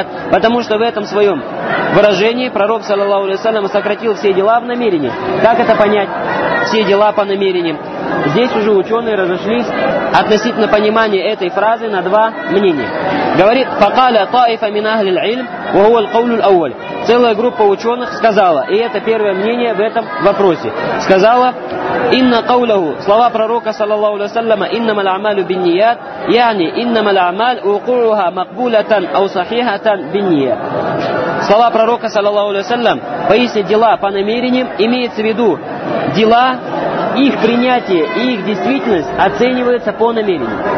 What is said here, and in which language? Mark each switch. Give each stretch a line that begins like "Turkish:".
Russian: Потому что в этом своем выражении пророк, саллаллаху алейхи ва саллям, сократил все дела в намерениях. Как это понять, все дела по намерениям? Здесь уже ученые разошлись относительно понимания этой фразы на два мнения. Говорит,
Arabic: فَقَالَ طَائِفَ مِنْ أَهْلِ الْعِلْمِ وَهُوَ الْقَوْلُ الْأَوَّلِ.
Russian: Целая группа ученых сказала, и это первое мнение в этом вопросе, сказала,
Arabic: إِنَّ قَوْلَهُ
Russian: слова пророка, саллаллаху алейхи ва саллям,
Arabic: إِنَّمَ الْعَمَالُ بِالنِّيَاتِ يعني إِنَّمَ الْعَمَالُ وُقُوعُهَا مَقْبُولَةً أَوْ صَحِيحَةً بِالنِّيَاتِ.
Russian: Слова пророка, саллаллаху алейхи ва саллям, поясни дела по намерениям, имеется в виду дела, их принятие и их действительность оцениваются по намерению.